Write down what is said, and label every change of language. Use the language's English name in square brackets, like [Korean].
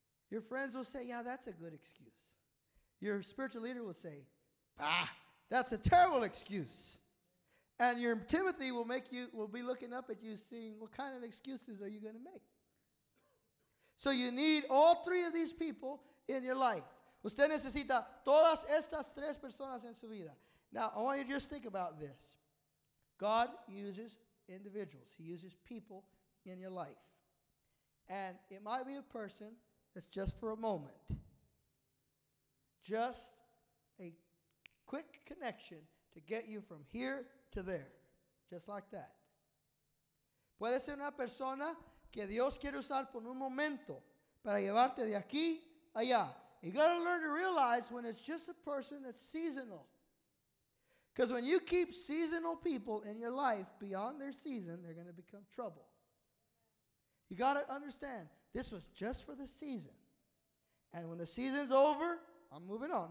[English] Your friends will say, yeah, that's a good excuse. Your spiritual leader will say, bah, that's a terrible excuse. And your Timothy will be looking up at you seeing what kind of excuses are you going to make. So you need all three of these people in your life. [Spanish] Usted necesita todas estas tres personas en su vida. [English] Now, I want you to just think about this. God uses individuals. He uses people in your life. And it might be a person that's just for a moment. Just a quick connection to get you from here to there. Just like that. [Spanish] Puede ser una persona que Dios quiere usar por un momento para llevarte de aquí allá. [English] You got to learn to realize when it's just a person that's seasonal. Because when you keep seasonal people in your life beyond their season, they're going to become trouble. You got to understand, this was just for the season. And when the season's over, I'm moving on.